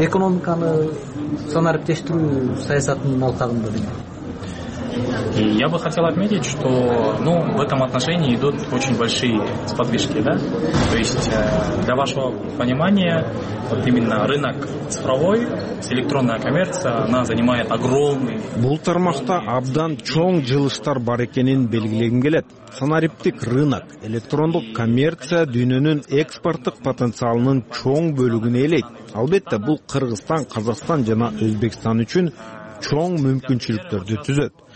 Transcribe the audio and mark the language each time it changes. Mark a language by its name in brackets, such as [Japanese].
[Kyrgyz] Экономиканы санарыптештирүү саясатынын алкагында деген. [Russian] И я бы хотел отметить, что ну, в этом отношении идут очень большие сподвижки. Да? То есть для вашего понимания, вот именно рынок цифровой, электронная коммерция, она занимает огромный... [Kyrgyz] Бул тармакта абдан чоң жылыштар бар экенин белгилегим келет. Санариптик рынок, электрондук коммерция дүйнөнүн экспорттук потенциалынын чоң бөлүгүн ээлейт. Албетте, бул Кыргызстан, Казакстан жана Өзбекстан үчүн чоң мүмкүнчүлүктөрдү түзөт.